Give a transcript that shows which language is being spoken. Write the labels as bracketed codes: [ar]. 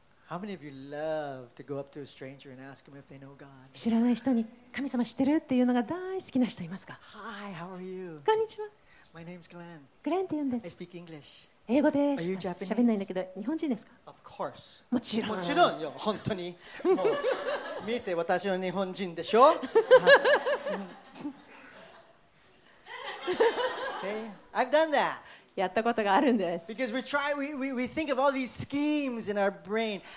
[en] How many of you love to go up to a stranger and ask him if they know God? [ja] 知らない人に神様知ってるっていうのが大好きな人いますか? [en] Hi, how are you? [ja] こんにちは。 [en] My name's Glenn. [ja] グレンって言うんです。 [en] I speak English. [ja] 英語でしか喋れないんだけど日本人ですか？ [en] Of course. [ja] もちろんもちろんよ本当にもう見て私の日本人でしょ？ [en] Okay. I've done that. [ja] やったことがあるんです。 [en] Because we try, we think of all these schemes in our brain.